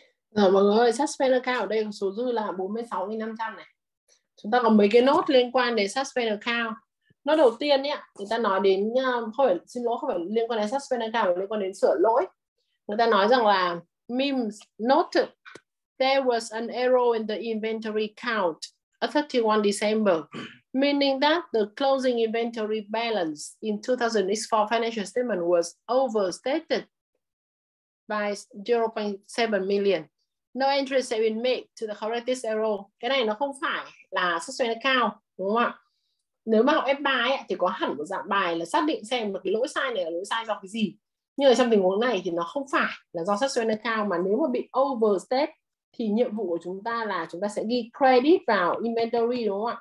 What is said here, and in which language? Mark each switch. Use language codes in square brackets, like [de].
[vi] Rồi mọi người ơi, suspend account ở đây số dư là 46.500 này. Chúng ta có mấy cái nốt liên quan đến suspend account. Nó đầu tiên ấy, người ta nói đến không phải liên quan đến suspend account, mà liên quan đến sửa lỗi. Người ta nói rằng là [en] memes noted there was an error in the inventory count at 31 December, meaning that the closing inventory balance in 2004 financial statement was overstated by 0.7 million. No entry has been made to the correct this error. [vi] Cái này nó không phải là suspend account, đúng không ạ? Nếu mà học F3 ấy, thì có hẳn một dạng bài là xác định xem một cái lỗi sai này là lỗi sai do cái gì. Nhưng ở trong tình huống này thì nó không phải là do suspend account, mà nếu mà bị overstate thì nhiệm vụ của chúng ta là chúng ta sẽ ghi credit vào inventory, đúng không ạ?